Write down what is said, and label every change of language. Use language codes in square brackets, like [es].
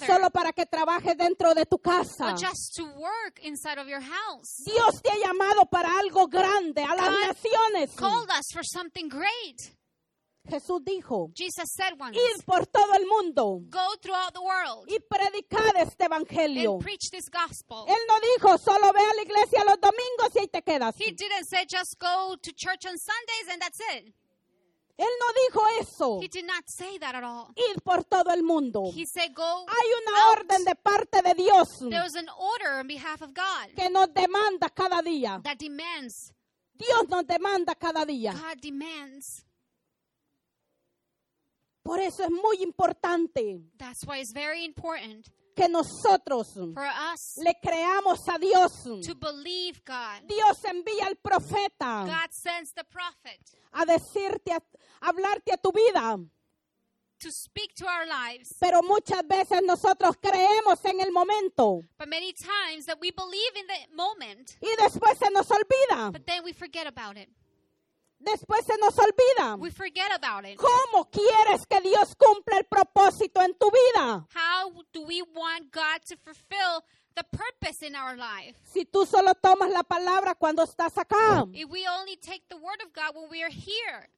[es] O solo para que trabajes dentro de tu casa. [en] Or just to work inside of your house. [es] Dios te ha llamado para algo grande, a las naciones. [en] God called us for something great. [es] Jesús dijo, [en] Jesus said once, [es] ir por todo el mundo, [en] go throughout the world, [es] y predicar este evangelio, [en] and preach this gospel. [es] Él no dijo, solo ve a la iglesia los domingos y ahí te quedas. [en] He didn't say, just go to church on Sundays and that's it. [es] Él no dijo eso. [en] He did not say that at all. [es] Ir por todo el mundo. [en] He said, go out. [es] Hay una [en] out. [es] Orden de parte de Dios. [en] There was an order on behalf of God. [es] Que nos demanda cada día. [en] That demands. [es] Dios nos demanda cada día. [en] God demands. [es] Por eso es muy importante. [en] That's why it's very important [es] que nosotros [en] for us [es] le creamos a Dios. [en] To believe God. [es] Dios envía al profeta. [en] God sends the prophet. [es] A decirte, a hablarte a tu vida. [en] To speak to our lives. [es] Pero muchas veces nosotros creemos en el momento. [en] But many times that we believe in the moment. [es] Y después se nos olvida. [en] But then we forget about it. [es] Después se nos olvida. [en] We forget about it. [es] ¿Cómo quieres que Dios cumpla el propósito en tu vida? [en] How do we want God to fulfill the purpose in our life? [es] Si tú solo tomas la palabra cuando estás acá. [en] If we only take the word of God when we are here.